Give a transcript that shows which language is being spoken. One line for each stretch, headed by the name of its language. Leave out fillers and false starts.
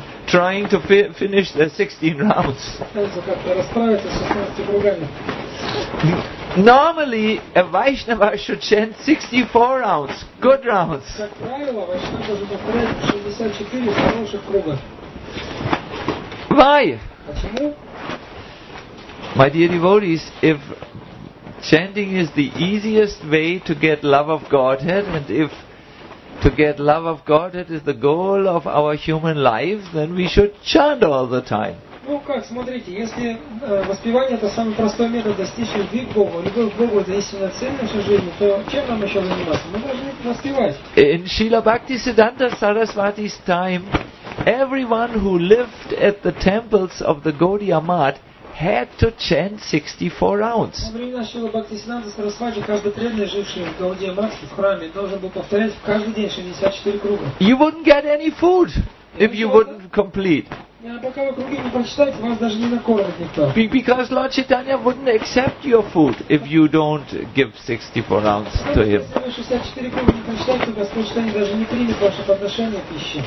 English: trying to finish the 16 rounds.
Russian: Как-то расправиться с 16 кругами.
English: Normally a Vaishnava should chant 64 rounds. Good rounds.
Russian: Как правило, Вайшнава должен повторять 64 хороших круга.
English: Why?
Russian: Почему?
English: My dear devotees, if chanting is the easiest way to get love of Godhead, and if to get love of Godhead is the goal of our human life, then we should chant all the time.
Russian: Ну как, смотрите, если воспевание это самый простой метод достичь любви к Богу, любовь к Богу это истинная цель нашей жизни, то чем нам еще заниматься? Мы должны воспевать.
English: In Srila Bhakti Siddhanta Saraswati's time, everyone who lived at the temples of the Gaudiya Math had to chant 64 rounds.
Russian: Во время Шрила Бхактисиддханта Сарасвати каждый преданный, живший в Гаудия Матхе, в храме, должен был повторять каждый день 64 круга.
English: You wouldn't get any food if you wouldn't complete.
Russian: Пока вы круги не прочитаете, вас даже не накормит никто.
English: Because Lord Chaitanya wouldn't accept your food if you don't give 64 rounds to him.
Russian: Если вы 64 круга не прочитаете, Господь Чайтанья даже не примет ваше подношение пищи.